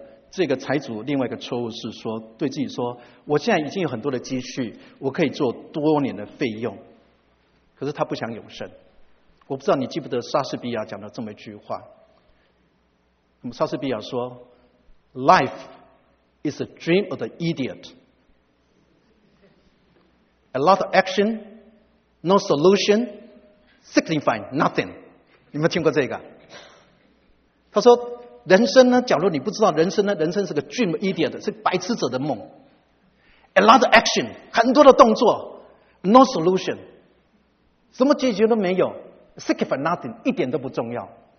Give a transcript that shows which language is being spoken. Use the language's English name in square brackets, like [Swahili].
[Chinese] 这个财主另外一个错误是说，对自己说，我现在已经有很多的积蓄，我可以做多年的费用，可是他不想永生。我不知道你记不得莎士比亚讲的这么一句话。 [English] 莎士比亚说 Life is a dream of the idiot. A lot of action, no solution, signifying nothing. [Chinese] 你们听过这个？他说人生呢，假如你不知道人生呢，人生是个 [English] dream of idiot, [Chinese] 是白痴者的梦。 [English] A lot of action, [Chinese] 很多的动作， [English] no solution, [Chinese] 什么解决都没有， [English] Sick for nothing, [Chinese] 一点都不重要。